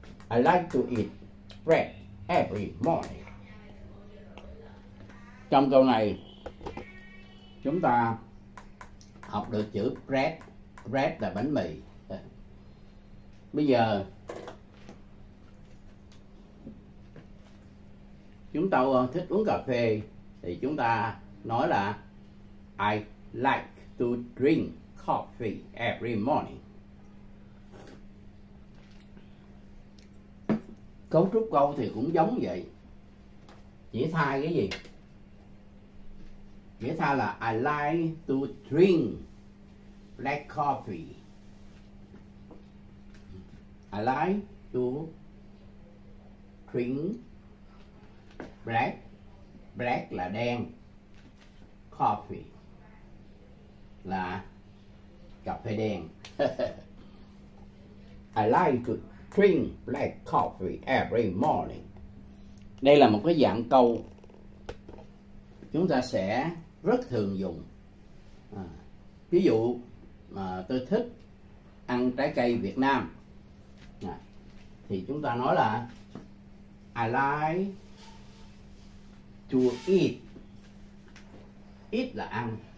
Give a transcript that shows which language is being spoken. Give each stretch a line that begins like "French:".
English: I like to eat bread every morning.
Vietnamese: Trong câu này chúng ta học được chữ bread. Bread là bánh mì. Bây giờ chúng ta thích uống cà phê thì chúng ta nói là
English: I like to drink coffee every morning.
Vietnamese: Cấu trúc câu thì cũng giống vậy. Chỉ thay cái gì? Chỉ thay là
English: I like to drink black coffee. I like to drink black. Black
Vietnamese: là đen. Coffee là cà phê đen.
English: I like to drink black coffee every morning.
Vietnamese: Đây là một cái dạng câu chúng ta sẽ rất thường dùng. Ví dụ mà tôi thích ăn trái cây Việt Nam thì chúng ta nói là
English: I like to eat.
Vietnamese: Eat là ăn.